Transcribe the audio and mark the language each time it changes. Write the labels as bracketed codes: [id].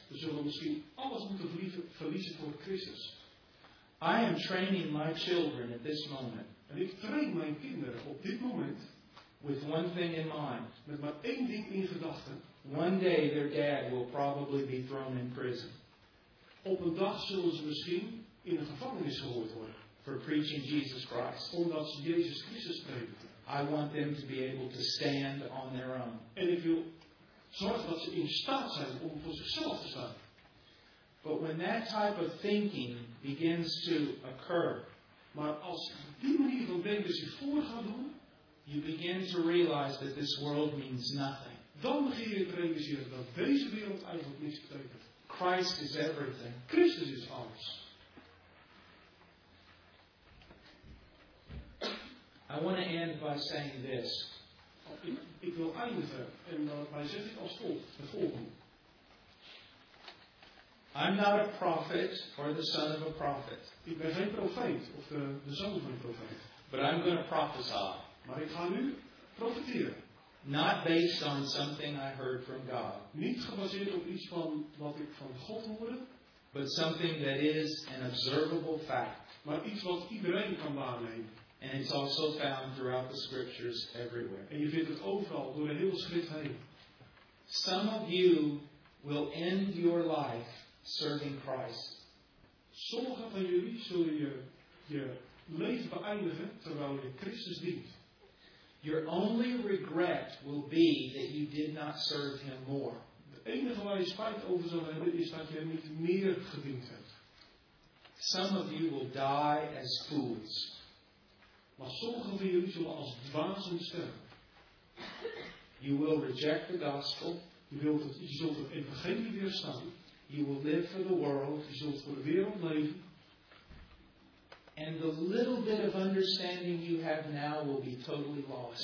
[nl] We zullen misschien alles moeten verliezen voor Christus. [en] I am training my children at this moment. [nl] En ik train mijn kinderen op dit moment. [en] With one thing in mind. [nl] Met maar één ding in gedachten. [en] One day their dad will probably be thrown in prison. [nl] Op een dag zullen ze misschien in de gevangenis gehoord worden. [en] For preaching Jesus Christ. [nl] Omdat ze Jezus Christus spreken. [en] I want them to be able to stand on their own. [nl] En ik wil zorgen dat ze in staat zijn om voor zichzelf te staan. [en] But when that type of thinking begins to occur. [nl] Maar als die manier van denken zich voor gaat doen. [en] You begin to realize that this world means nothing. [nl] Dan begin je te realiseren dat deze wereld eigenlijk niets betekent. [en] Christ is everything. [nl] Christus is alles. [en] I want to end by saying this. [nl] Ik wil eindigen en daarbij zeg ik als volgende. [en] I'm not a prophet or the son of a prophet. [nl] Ik ben geen profeet of de zoon van een profeet. [en] But I'm going to prophesy. [nl] Maar ik ga nu profeteren. [en] Not based on something I heard from God. [nl] Niet gebaseerd op iets van wat ik van God hoorde. [en] But something that is an observable fact. [nl] Maar iets wat iedereen kan waarnemen. [en] And it's also found throughout the scriptures everywhere. [nl] En je vindt het overal door de hele schrift heen. [en] Some of you will end your life serving Christ. [nl] Sommigen van jullie zullen je leven beëindigen terwijl je Christus dient. [en] Your only regret will be that you did not serve him more. [nl] De enige waar je spijt over zal hebben is dat je hem niet meer gediend hebt. [en] Some of you will die as fools. [nl] Maar sommigen van jullie zullen als dwazen sterven. [en] You will reject the gospel. [nl] Je zult het evangelie weerstaan. [en] You will live for the world. [nl] Je zult voor de wereld leven. [en] And the little bit of understanding you have now will be totally lost.